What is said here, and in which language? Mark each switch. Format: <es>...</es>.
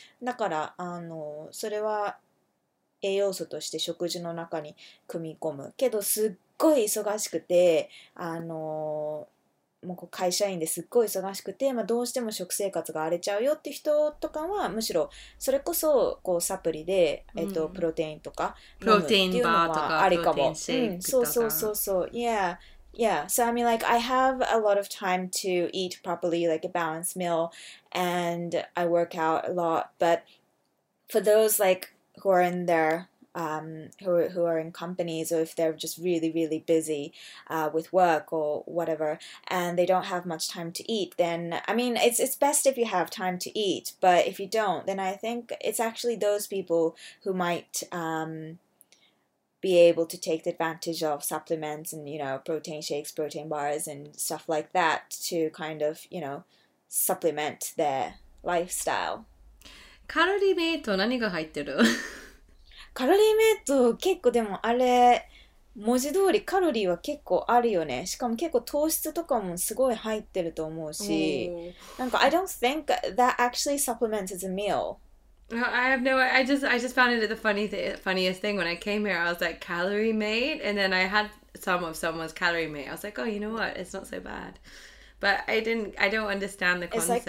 <ja>だからそれは栄養素として食事の中に組み込むけど、すっごい忙しくて、もう会社員ですっごい忙しくて、まあ、どうしても食生活が荒れちゃうよって人とかは、むしろそれこそこうサプリで、プロテインとか、プロテインバーとかありかも。そう。</ja> <en>Yeah, so I mean, like, I have a lot of time to eat properly, like a balanced meal, and I work out a lot, but for those likewho are in there, who are in companies, or if they're just really, really busy with work or whatever, and they don't have much time to eat, then, I mean, it's best if you have time to eat, but if you don't, then I think it's actually those people who might be able to take the advantage of supplements and, you know, protein shakes, protein bars, and stuff like that to kind of, you know, supplement their lifestyle.</en> <ja>カロリーメイト何が入ってる？カロリーメイト結構でもあれ文字通りカロリーは結構あるよね。しかも結構糖質とかもすごい入ってると思うし。</ja> <en>なんか I don't think that actually supplements as a meal. I have no idea. I just found it the funniest thing when I came here. I was like calorie made and then I had some of someone's calorie made. I was like, oh, you know what? It's not so bad. But I don't understand the concept.</en>